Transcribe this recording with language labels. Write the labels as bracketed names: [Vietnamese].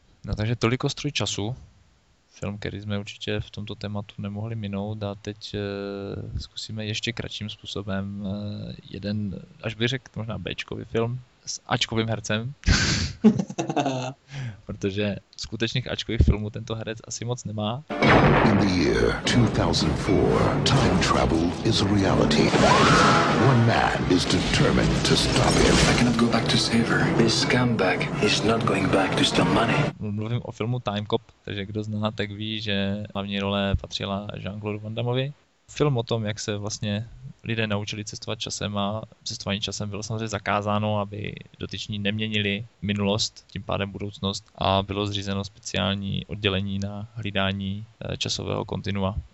[Czech] No takže toliko Stroj času. Film, který jsme určitě v tomto tématu nemohli minout a teď zkusíme ještě kratším způsobem jeden, až bych řekl možná B-čkový film s Ačkovým hercem. Protože skutečných Ačkových filmů tento herec asi moc nemá. [English] In the year 2004, time travel is a reality. One man is determined to stop him. I cannot go back to save her. This scumbag is not going back to steal money. [Czech] Mluvím o filmu Time Cop, takže kdo zná, tak ví, že hlavní role patřila Jean-Claude Van Damme. Film o tom, jak se vlastně lidé naučili cestovat časem a cestování časem bylo samozřejmě zakázáno, aby dotyční neměnili minulost, tím pádem budoucnost a bylo zřízeno speciální oddělení na hlídání časového kontinua.